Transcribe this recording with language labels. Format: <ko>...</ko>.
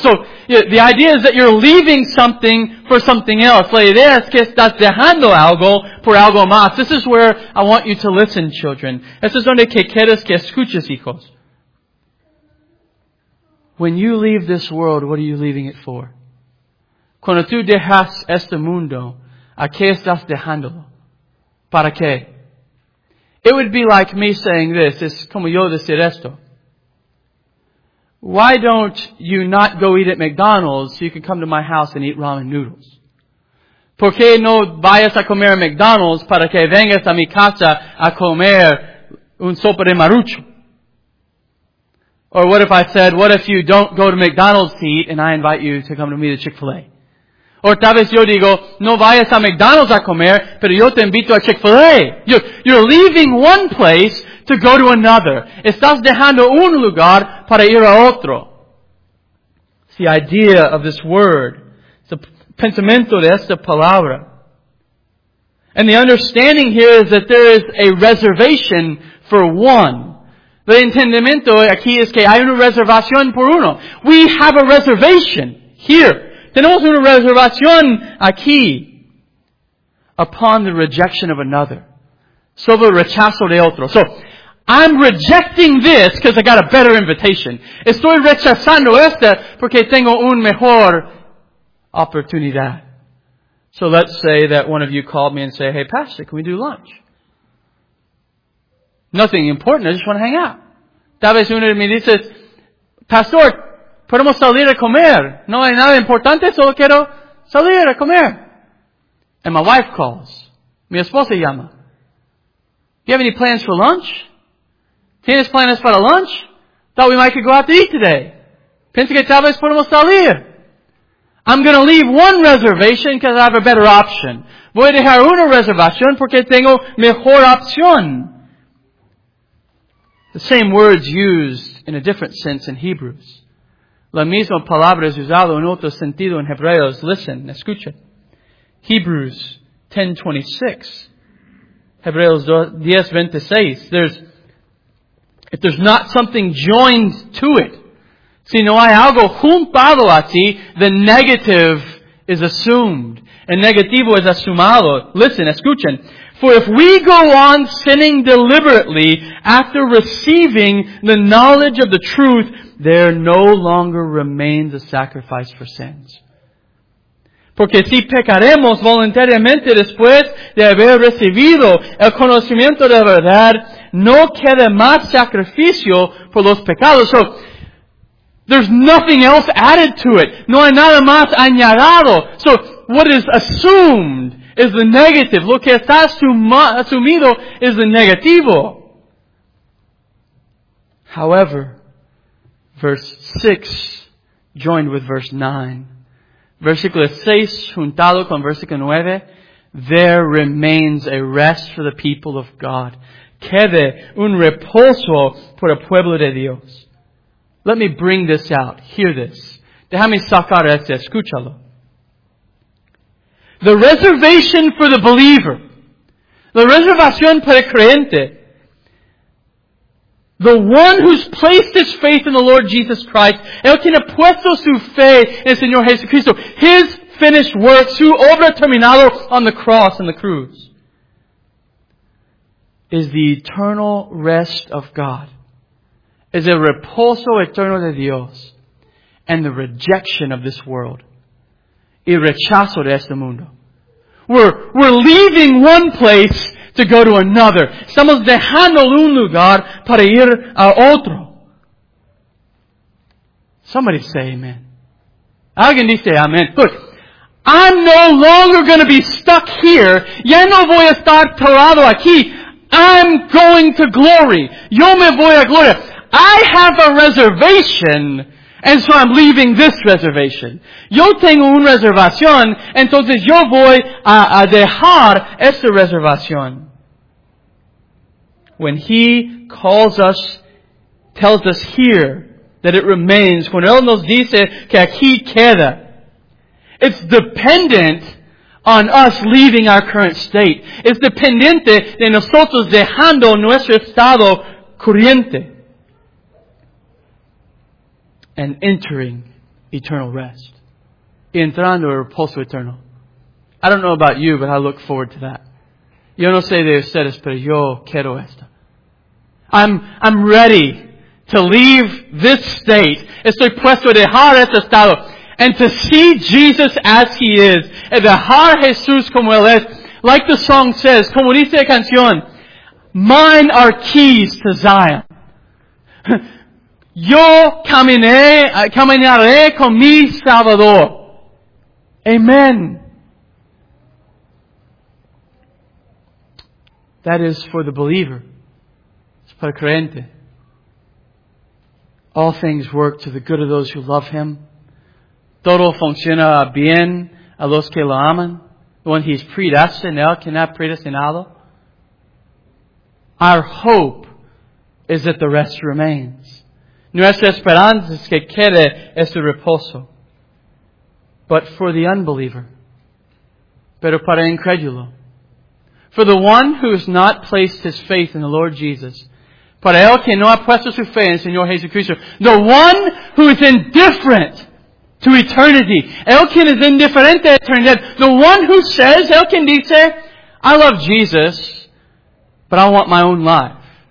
<en>So, the idea is that you're leaving something for something else.</en> <es>La idea es que estás dejando algo por algo más.</es> <en>This is where I want you to listen, children.</en> <es>Esto es donde que quieres que escuches, hijos.</es> <en>When you leave this world, what are you leaving it for?</en> <es>Cuando tú dejas este mundo, ¿a qué estás dejándolo? ¿Para qué?</es> <en>It would be like me saying this.</en> <es>Es como yo decir esto.</es> <en>Why don't you not go eat at McDonald's so you can come to my house and eat ramen noodles?</en> <es>¿Por qué no vayas a comer a McDonald's para que vengas a mi casa a comer un sopa de marucho?</es> <en>Or what if I said, what if you don't go to McDonald's to eat and I invite you to come to me to Chick-fil-A?</en> <es>Or tal vez yo digo, no vayas a McDonald's a comer, pero yo te invito a Chick-fil-A.</es> <en>You're leaving one place to go to another.</en> <es>Estás dejando un lugar para ir a otro.</es> <en>It's the idea of this word. It's the</en> <es>pensamiento de esta palabra.</es> <en>And the understanding here is that there is a reservation for one.</en> <es>The entendimiento aquí es que hay una reservación por uno.</es> <en>We have a reservation here.</en> <es>Tenemos una reservación aquí.</es> <en>Upon the rejection of another.</en> <es>Sobre el rechazo de otro.</es> <en>So, I'm rejecting this because I got a better invitation.</en> <es>Estoy rechazando esta porque tengo un mejor oportunidad.</es> <en>So let's say that one of you called me and say, hey, Pastor, can we do lunch? Nothing important. I just want to hang out.</en> <es>Tal vez uno de mí dice, Pastor, podemos salir a comer. No hay nada importante. Solo quiero salir a comer.</es> <en>And my wife calls.</en> <es>Mi esposa llama.</es> <en>Do you have any plans for lunch?</en> <es>Tienes planes para lunch?</es> <en>Thought we might could go out to eat today.</en> <es>Pensé que tal vez podemos salir.</es> <en>I'm going to leave one reservation because I have a better option.</en> <es>Voy a dejar una reservación porque tengo mejor opción.</es> <en>The same words used in a different sense in Hebrews.</en> <es>La misma palabra es usada en otro sentido en Hebreos.</es> <en>Listen,</en> <es>escucha.</es> <en>Hebrews 10:26.</en> <es>Hebreos 10:26.</es> <en>If there's not something joined to it,</en> <es>si no hay algo juntado a ti,</es> <en>the negative is assumed.</en> <es>El negativo es asumado.</es> <en>Listen,</en> <es>escuchen.</es> <en>For if we go on sinning deliberately after receiving the knowledge of the truth, there no longer remains a sacrifice for sins.</en> <es>Porque si pecaremos voluntariamente después de haber recibido el conocimiento de la verdad, no queda más sacrificio por los pecados. So,</es> <en>There's nothing else added to it.</en> <es>No hay nada más añadido.</es> <en>So what is assumed is the negative.</en> <es>Lo que está asumido is the negativo.</es> <en>However, verse 6 joined with verse 9.</en> <es>Versículo 6 juntado con versículo 9.</es> <en>There remains a rest for the people of God.</en> <es>Quede un reposo por el pueblo de Dios.</es> <en>Let me bring this out. Hear this.</en> <es>Déjame sacar esto. Escúchalo.</es> <en>The reservation for the believer.</en> <es>La reservación para el creyente.</es> <en>The one who's placed his faith in the Lord Jesus Christ.</en> <es>El quien ha puesto su fe en el Señor Jesucristo.</es> <en>His finished work.</en> <es>Su obra terminada</es> <en>on the cross and the cruz. Is the eternal rest of God. Is</en> <es>el reposo eterno de Dios.</es> <en>And the rejection of this world.</en> <es>Y rechazo de este mundo.</es> <en>We're leaving one place to go to another.</en> <es>Estamos dejando un lugar para ir a otro.</es> <en>Somebody say amen. Alguien dice amen. Look, I'm no longer going to be stuck here.</en> <es>Ya no voy a estar parado aquí.</es> <en>I'm going to glory.</en> <es>Yo me voy a gloria.</es> <en>I have a reservation. And so I'm leaving this reservation.</en> <es>Yo tengo una reservación, entonces yo voy a dejar esta reservación.</es> <en>When He calls us, tells us here that it remains, when</en> <es>Él nos dice que aquí queda,</es> <en>it's dependent on us leaving our current state.</en> <es>It's dependiente de nosotros dejando nuestro estado corriente.</es> <en>And entering eternal rest.</en> <es>Entrando el reposo eterno.</es> <en>I don't know about you, but I look forward to that.</en> <es>Yo no sé de ustedes, pero yo quiero esto.</es> <en>I'm ready to leave this state.</en> <es>Estoy puesto a dejar este estado.</es> <en>And to see Jesus as He is.</en> <es>Y dejar Jesús como Él es.</es> <en>Like the song says,</en> <es>como dice la canción,</es> <en>mine are keys to Zion.</en> <es>Yo caminaré con mi Salvador. Amen.</es> <en>That is for the believer. It's</en> <es>para creyente.</es> <en>All things work to the good of those who love Him.</en> <es>Todo funciona bien a los que lo aman.</es> <en>The one He's predestinado,</en> <es>quien ha predestinado.</es> <en>Our hope is that the rest remains.</en> <es>Nuestra esperanza es que quede este reposo.</es> <en>But for the unbeliever,</en> <es>pero para incrédulo,</es> <en>for the one who has not placed his faith in the Lord Jesus,</en> <es>para el que no ha puesto su fe en el Señor Jesucristo,</es> <en>the one who is indifferent to eternity,</en> <es>el quien es indiferente a eternidad,</es> <en>the one who says,</en> <es>el quien dice,</es> <en>I love Jesus, but I want my own life.</en>